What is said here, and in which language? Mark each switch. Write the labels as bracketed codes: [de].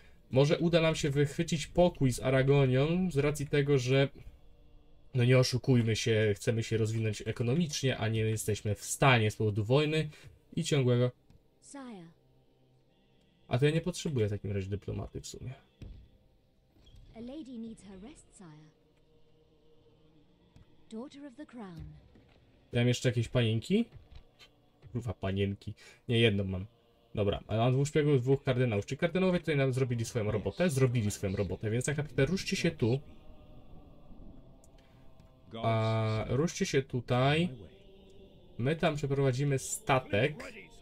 [pl] Może uda nam się wychwycić pokój z Aragonią. Z racji tego, że... No nie oszukujmy się. Chcemy się rozwinąć ekonomicznie, a nie jesteśmy w stanie z powodu wojny. I ciągłego. A to ja nie potrzebuję w takim razie dyplomaty w sumie. [en] A lady needs her rest, sire. Daughter of the crown. [pl] Ja mam jeszcze jakieś panienki? Kurwa, panienki. Nie, jedną mam. Dobra, ale mam dwóch szpiegów, dwóch kardynałów. Czy kardynałowie tutaj nam zrobili swoją robotę? Zrobili swoją robotę, więc tak naprawdę ruszcie się tu. A, ruszcie się tutaj. My tam przeprowadzimy statek.